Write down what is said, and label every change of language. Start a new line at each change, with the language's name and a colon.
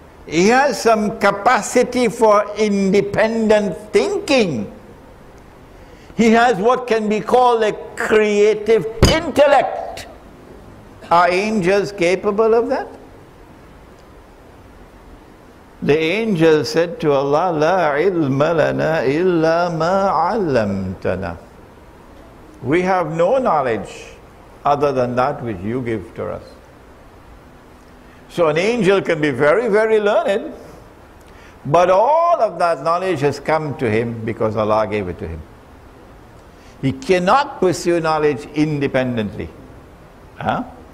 English: He has some capacity for independent thinking. He has what can be called a creative intellect. Are angels capable of that? The angel said to Allah,
Arabic: لا علم لنا إلا ما علمتنا.
English: We have no knowledge other than that which you give to us. So an angel can be very, very learned, but all of that knowledge has come to him because Allah gave it to him. He cannot pursue knowledge independently. Huh?